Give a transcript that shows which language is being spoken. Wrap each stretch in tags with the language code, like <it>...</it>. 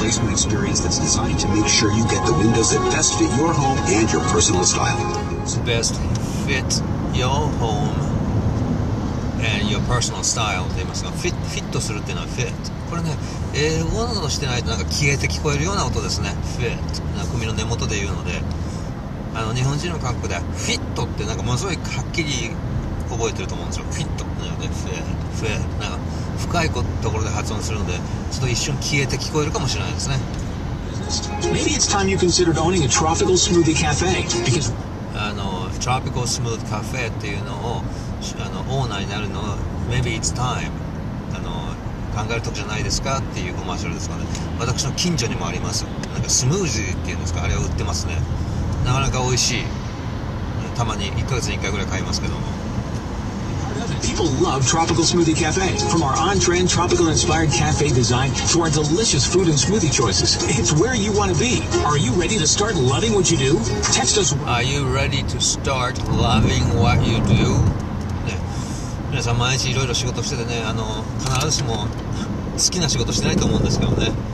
<en>Experience that's designed to make sure you get the windows that best fit your home and your personal style. So best fit your home and your personal style. They must have fit. Fit to</en> <ja>するっていうのは</ja> <en>fit.</en> <ja>これね、英語のしてないとなんか消えて聞こえるような音ですね。</ja> <en>Fit.</en> <ja>なんか首の根元で言うので、あの日本人の感覚で fit ってなんかものすごいはっきり覚えてると思うんですよ。フィットなので、フェッ、フェッ、なんか深いところで発音するので、ちょっと一瞬消えて聞こえるかもしれないですね。</ja> <en>Maybe it's time you considered owning a tropical smoothie cafe.</en> <ja>あの、tropical smooth cafe っていうのをあのオーナーになるのは、</ja> <en>maybe it's time。</en> <ja>あの、考える時じゃないですかっていうコマーシャルですかね。私の近所にもあります。なんかスムージーっていうんですか、あれを売ってますね。なかなか美味しい。たまに1ヶ月に1回ぐらい買いますけども。</ja> <en>People love Tropical Smoothie Cafe. From our on-trend tropical-inspired cafe design to our delicious food and smoothie choices, it's where you want to be. Are you ready to start loving what you do? Text us. Are you ready to start loving what you do?</en> <ja>ね、皆さん毎日いろいろ仕事しててね、あの必ずしも好きな仕事してないと思うんですけどね。</ja>